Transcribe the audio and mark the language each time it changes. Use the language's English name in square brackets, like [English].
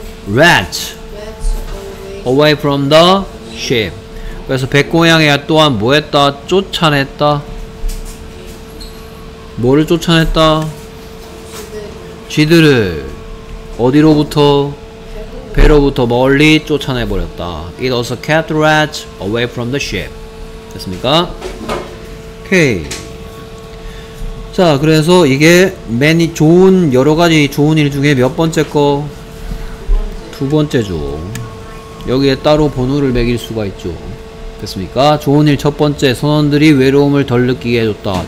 [English] Rats away from the ship. [Korean] 그래서 백고양이가 또한 뭐 했다? 쫓아냈다. 뭐를 쫓아냈다? 쥐들을 어디로부터? 배로부터 멀리 쫓아내버렸다. [English] It also kept rats away from the ship. [Korean] 됐습니까? 오케이. 자, 그래서 이게 many 좋은 여러 가지 좋은 일 중에 몇 번째 거? 두 번째죠. 여기에 따로 번호를 매길 수가 있죠. 됐습니까? 좋은 일 첫 번째, 선원들이 외로움을 덜 느끼게 해줬다.